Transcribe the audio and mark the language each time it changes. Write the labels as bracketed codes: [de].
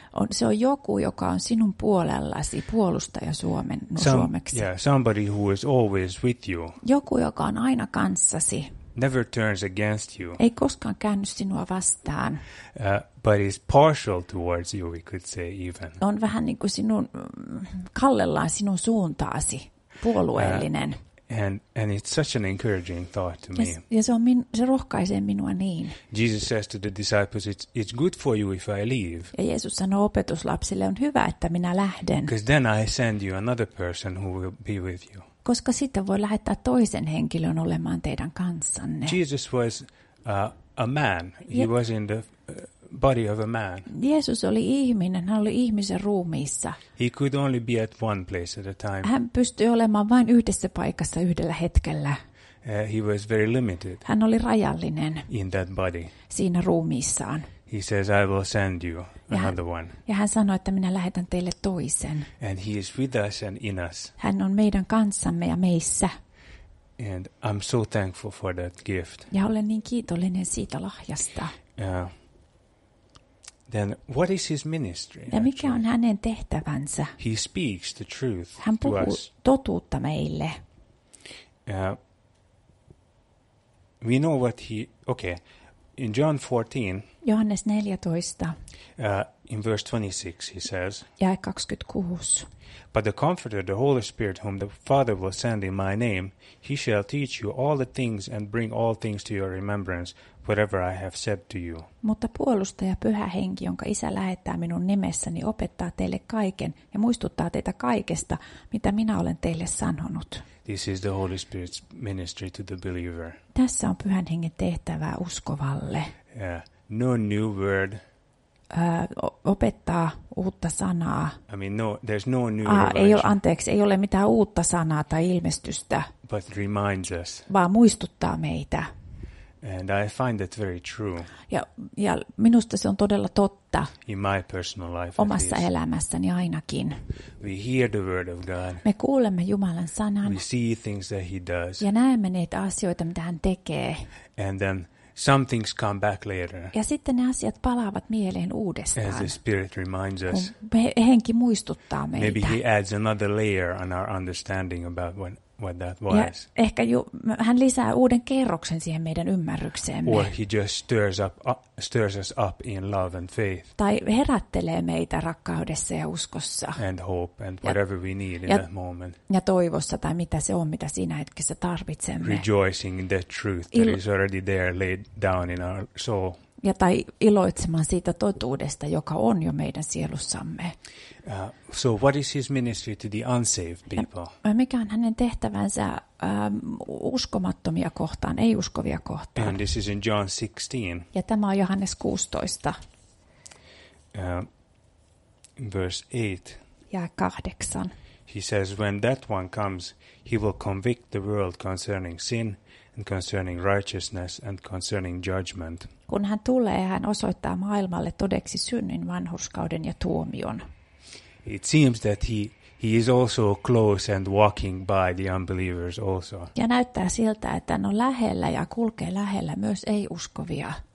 [fi] Se on joku, joka on sinun puolellasi, puolustaja suomeksi. [en] Yeah, somebody who is always with you. [fi] Joku, joka on aina kanssasi. [en] Never turns against you. [fi] Ei koskaan käänny sinua vastaan. [en] But is partial towards you, we could say even. [fi] On vähän niin kuin sinun kallellaan sinun suuntaasi, puolueellinen. [en] And it's such an encouraging thought to me. [fi] Ja se rohkaisee minua niin. [en] Jesus says to the disciples, it's good for you if I leave. [fi] Ja Jeesus sanoo opetuslapsille, on hyvä, että minä lähden. [en] Because then I send you another person who will be with you. [fi] Koska sitten voi lähettää toisen henkilön olemaan teidän kanssanne. [en] Jesus was a man. He was in the body of a man. [fi] Jeesus oli ihminen. Hän oli ihmisen ruumiissa. [en] He could only be at one place at a time. [fi] Hän pystyi olemaan vain yhdessä paikassa yhdellä hetkellä. [en] He was very limited. [fi] Hän oli rajallinen. [en] In that body. [fi] Siinä ruumiissaan. [en] He says, I will send you another one. [fi] Ja hän sanoi, että minä lähetän teille toisen. [en] And he is with us and in us. [fi] Hän on meidän kanssamme ja meissä. [en] And I'm so thankful for that gift. [fi] Ja olen niin kiitollinen siitä lahjasta. [en] Then what is his ministry? [fi] Ja mikä on hänen tehtävänsä? [en] He speaks the truth to us. [fi] Hän puhuu totuutta meille. [en] We know what he... Okay. In John 14, [fi] Johannes 14, [en] in verse 26, he says, [fi] jae 26. [en] But the Comforter, the Holy Spirit, whom the Father will send in my name, he shall teach you all the things and bring all things to your remembrance, whatever I have said to you. [fi] Mutta puolustaja, pyhä henki, jonka isä lähettää minun nimessäni, opettaa teille kaiken ja muistuttaa teitä kaikesta, mitä minä olen teille sanonut. [en] This is the Holy Spirit's ministry to the believer. [fi] Tässä on pyhän hengen tehtävää uskovalle. [en] No new word. [fi] Opettaa uutta sanaa. [en] I mean, no, there's no new [fi] Ei ole mitään uutta sanaa tai ilmestystä. [en] But reminds us. [fi] Vaan muistuttaa meitä. [en] And I find that very true. [fi] Ja minusta se on todella totta. [en] In my personal life. [fi] Omassa elämässäni ainakin. [en] We hear the word of God. [fi] Me kuulemme Jumalan sanan. [en] We see things that he does. [fi] Ja näemme niitä asioita, mitä hän tekee. [en] And then some things come back later. [fi] Ja sitten ne asiat palaavat mieleen uudestaan. [en] As the Spirit reminds us. [fi] Henki muistuttaa meitä. [en] Maybe he adds another layer on our understanding about what that was. [fi] Ja ehkä hän lisää uuden kerroksen siihen meidän ymmärrykseemme. [en] Or he just stirs us up in love and faith. [fi] Tai herättelee meitä rakkaudessa ja uskossa. [en] And hope and whatever we need in that moment. [fi] Ja toivossa tai mitä se on, mitä siinä hetkessä tarvitsemme. [en] Rejoicing in the truth that is already there laid down in our soul. [fi] ja tai iloitsemaan siitä totuudesta, joka on jo meidän sielussamme. [en] So what is his ministry to the unsaved people? [fi] Mikä on hänen tehtävänsä uskomattomia kohtaan, ei uskovia kohtaan? [en] And this is in John 16. [fi] Ja tämä on Johannes 16. [en] Verse 8. He says, when that one comes, he will convict the world concerning sin and concerning righteousness and concerning judgment. [fi] Kun hän tulee, hän osoittaa maailmalle todeksi synnin, vanhurskauden ja tuomion. [en] It seems that he is also close and walking by the unbelievers also. [fi] Ja näyttää siltä, että hän on lähellä ja kulkee lähellä myös ei-uskovia.